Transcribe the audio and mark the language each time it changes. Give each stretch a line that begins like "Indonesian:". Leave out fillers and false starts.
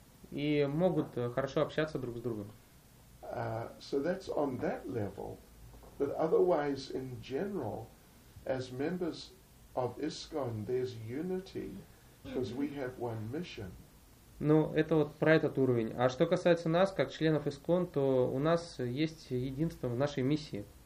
Russian: И могут хорошо общаться друг с другом.
English: So that's on that level. But otherwise, in general, as members of ISKCON, there's unity, because we have one mission.
Russian: Ну, это вот про этот уровень. А что касается нас, как членов ИСКОН, то у нас есть единство в нашей миссии.